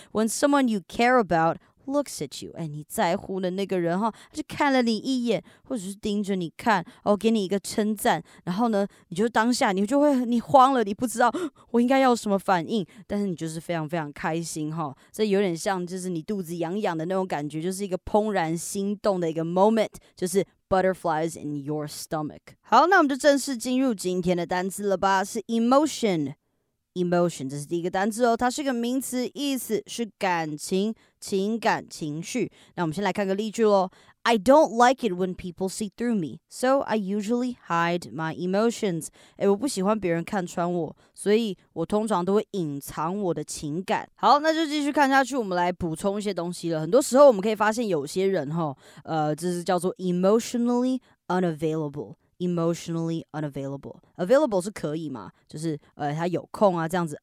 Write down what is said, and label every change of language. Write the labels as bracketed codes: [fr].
[en] When someone you care about looks at you， [zh] 哎，你在乎的那个人哈，他就看了你一眼，或者是盯着你看，哦，给你一个称赞，然后呢，你就当下你就会你慌了，你不知道我应该要什么反应，但是你就是非常非常开心哈，这有点像就是你肚子痒痒的那种感觉，就是一个怦然心动的一个 moment， 就是 [en] butterflies in your stomach。 [zh] 好，那我们就正式进入今天的单字了吧，是 emotion。 Emotion 这是第一个单字哦，它是一个名词，意思是感情、情感、情绪。那我们先来看个例句咯。 [en] I don't like it when people see through me, so I usually hide my emotions. [zh] 哎，我不喜欢别人看穿我，所以我通常都会隐藏我的情感。好，那就继续看下去，我们来补充一些东西了。很多时候我们可以发现有些人哈，这是叫做 emotionally unavailable。 Emotionally unavailable. Available 是可以嘛？就是他有空啊，这样子。